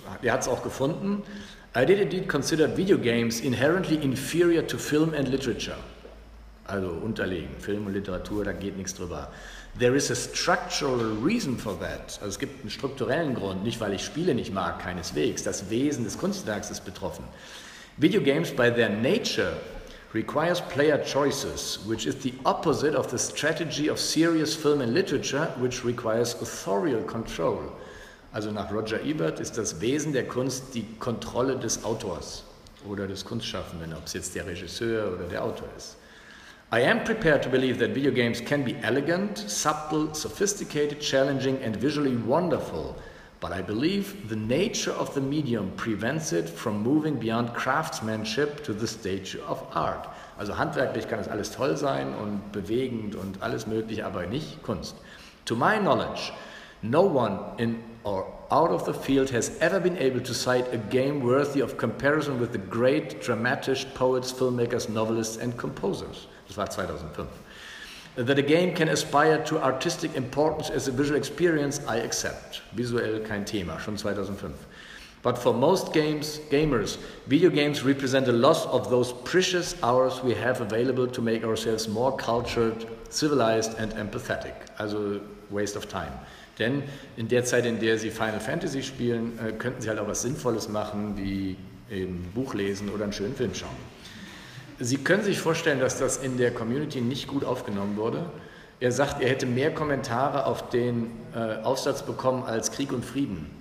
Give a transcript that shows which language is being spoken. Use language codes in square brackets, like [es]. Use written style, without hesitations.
[de] Er hat es auch gefunden. [en] I did indeed consider videogames inherently inferior to film and literature. [de] Also unterlegen, Film und Literatur, da geht nichts drüber. [en] There is a structural reason for that. [de] Also es gibt einen strukturellen Grund, nicht weil ich Spiele nicht mag, keineswegs. Das Wesen des Kunstwerks ist betroffen. [en] Videogames by their nature requires player choices, which is the opposite of the strategy of serious film and literature, which requires authorial control. [de] Also nach Roger Ebert ist das Wesen der Kunst die Kontrolle des Autors oder des Kunstschaffenden, ob es jetzt der Regisseur oder der Autor ist. [en] I am prepared to believe that video games can be elegant, subtle, sophisticated, challenging and visually wonderful, but I believe the nature of the medium prevents it from moving beyond craftsmanship to the stage of art. [de] Also handwerklich kann es alles toll sein und bewegend und alles möglich, aber nicht Kunst. [en] To my knowledge, no one in or out of the field has ever been able to cite a game worthy of comparison with the great dramatists, poets, filmmakers, novelists and composers. [de] Das war 2005. [en] That a game can aspire to artistic importance as a visual experience, I accept. [de] Visuell kein Thema, schon 2005. [en] But for most gamers, video games represent a loss of those precious hours we have available to make ourselves more cultured, civilized and empathetic. Also waste of time. [de] Denn in der Zeit, in der Sie Final Fantasy spielen, könnten Sie halt auch was Sinnvolles machen, wie ein Buch lesen oder einen schönen Film schauen. Sie können sich vorstellen, dass das in der Community nicht gut aufgenommen wurde. Er sagt, er hätte mehr Kommentare auf den Aufsatz bekommen als Krieg und Frieden.